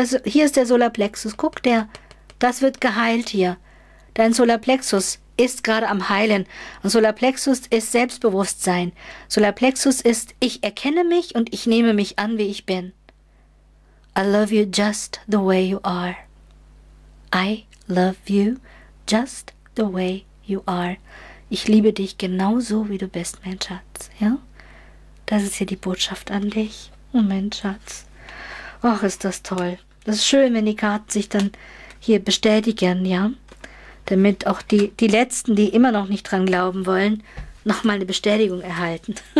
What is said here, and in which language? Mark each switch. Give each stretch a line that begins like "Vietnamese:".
German: Hier ist der Solarplexus. Guck, das wird geheilt hier. Dein Solarplexus ist gerade am Heilen. Und Solarplexus ist Selbstbewusstsein. Solarplexus ist, ich erkenne mich und ich nehme mich an, wie ich bin.
English: I love you just the way you are. I love you just the way you are.
German: Ich liebe dich genauso, wie du bist, mein Schatz. Ja? Das ist hier die Botschaft an dich. Oh, mein Schatz. Ach, ist das toll. Das ist schön, wenn die Karten sich dann hier bestätigen, ja? Damit auch die Letzten, die immer noch nicht dran glauben wollen, nochmal eine Bestätigung erhalten.